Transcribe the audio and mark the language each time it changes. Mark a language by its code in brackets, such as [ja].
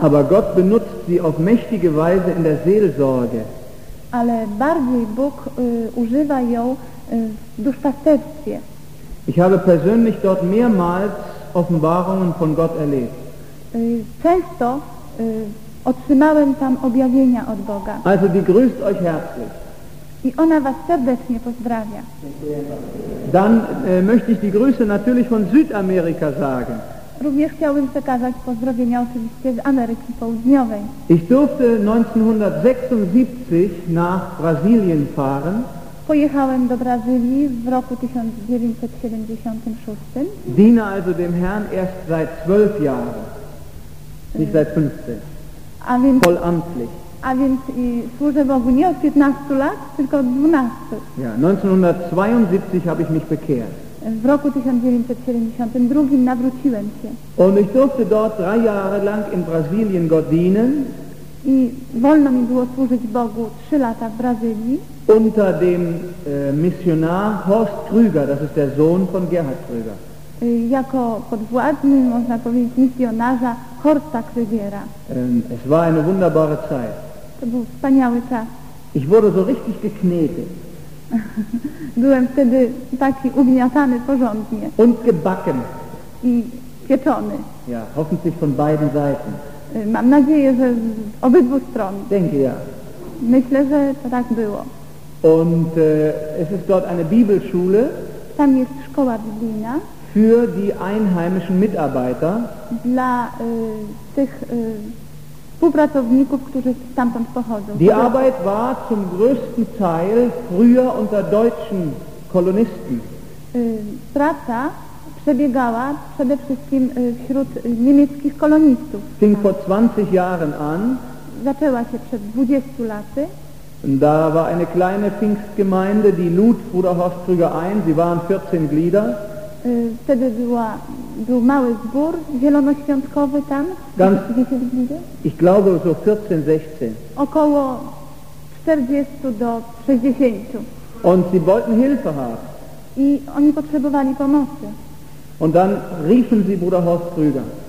[de] Aber Gott benutzt sie auf mächtige Weise in der Seelsorge. [pl] Ale bardziej Bóg używa ją w duszpasterstwie. [de] Ich habe persönlich dort mehrmals Offenbarungen von Gott erlebt. [pl] Często otrzymałem tam objawienia od Boga. [de] Also die grüßt euch herzlich. [pl] I ona was serdecznie pozdrawia. [de] Dann möchte ich die Grüße natürlich von Südamerika sagen. [pl] również chciałbym przekazać pozdrowienia oczywiście z Ameryki Południowej. [de] Ich durfte 1976 nach Brasilien fahren. [pl] Pojechałem do Brazylii w roku 1976. [de] Diene also dem Herrn erst seit 12 Jahren, nicht seit 15. Vollamtlich. [pl] A więc i służę Bogu nie od 15 lat, tylko od 12. [de] Ja, 1972 habe ich mich bekehrt. [pl] W roku 1972 nawróciłem się. [de] Und ich durfte dort drei Jahre lang in Brasilien Gott dienen. [pl] I wolno mi było służyć Bogu 3 lata w Brazylii. [de] Unter dem Missionar Horst Krüger, das ist der Sohn von Gerhard Krüger. [pl] Jako podwładny, można powiedzieć, misjonarza Horsta Krügera. [de] Es war eine wunderbare Zeit. [pl] To był wspaniały czas. [de] Ich wurde so richtig geknetet. [pl] Byłem wtedy taki ugniatany porządnie. [de] Und gebacken. [pl] I pieczony. [de] Ja, hoffentlich von beiden Seiten. [pl] Mam nadzieję, że z obydwu stron. [de] Denke ja. [pl] Myślę, że to tak było. [de] Und es ist dort eine Bibelschule. [pl] Tam jest szkoła biblijna. [de] Für die einheimischen Mitarbeiter. [pl] Dla tych współpracowników, którzy stamtąd pochodzą. [de] Die Arbeit war zum größten Teil früher unter deutschen Kolonisten. [pl] Praca przebiegała przede wszystkim wśród niemieckich kolonistów. [de] Fing vor 20 Jahren an. [pl] Zaczęła się przed 20 laty. [de] Und da war eine kleine Pfingstgemeinde, die lud Bruder Horst Krüger ein. Sie waren 14 Glieder. [pl] Wtedy był mały zbór zielonoświątkowy tam. [de] Ganz, ich glaube so 14-16. [pl] Około 40 do 60. [de] Und sie wollten Hilfe haben. [pl] I oni potrzebowali pomocy. [de] Und dann riefen sie Bruder Horst Krüger.